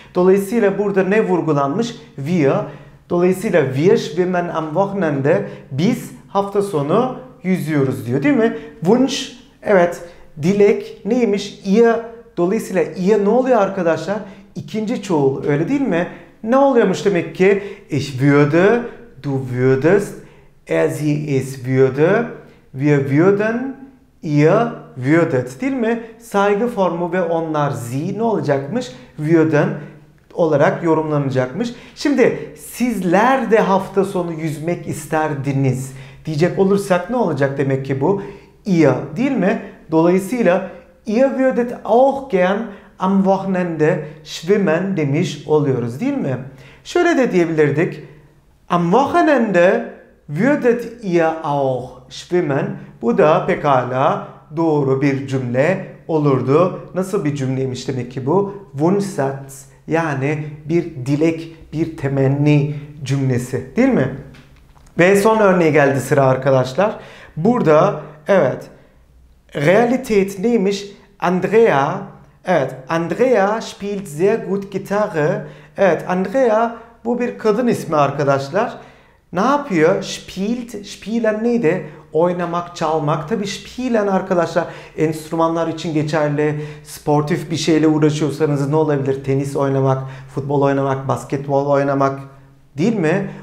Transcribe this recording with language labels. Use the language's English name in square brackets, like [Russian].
[Turkish] Dolayısıyla burada ne vurgulanmış? Wir. Dolayısıyla [German] wir schwimmen am Wochenende. [Turkish] Biz hafta sonu yüzüyoruz diyor, değil mi? Wunsch. Evet. Dilek neymiş? Ihr. Dolayısıyla ihr ne oluyor arkadaşlar? İkinci çoğul, öyle değil mi? Ne oluyormuş demek ki? [German] Ich würde, du würdest, er sie es würde, wir würden, ihr würdet, değil mi? [Turkish] Saygı formu ve onlar sie ne olacakmış? Würden olarak yorumlanacakmış. Şimdi sizler de hafta sonu yüzmek isterdiniz diyecek olursak ne olacak demek ki bu? Ihr, değil mi? Dolayısıyla [German] ihr würdet auch gern am Wochenende schwimmen [Turkish] demiş oluyoruz, değil mi? Şöyle de diyebilirdik. [German] Am Wochenende würdet ihr auch schwimmen. [Turkish] Bu da pekala doğru bir cümle olurdu. Nasıl bir cümleymiş demek ki bu? Wunschsatz, yani bir dilek, bir temenni cümlesi, değil mi? Ve son örneğe geldi sıra arkadaşlar. Burada evet. Realität neymiş? [German] Andrea, evet, Andrea spielt sehr gut Gitarre. [Turkish] Evet, Andrea bu bir kadın ismi arkadaşlar. Ne yapıyor? Spielt, spielen neydi? Oynamak, çalmak. Tabii spielen arkadaşlar enstrümanlar için geçerli. Sportif bir şeyle uğraşıyorsanız ne olabilir? Tenis oynamak, futbol oynamak, basketbol oynamak, değil mi?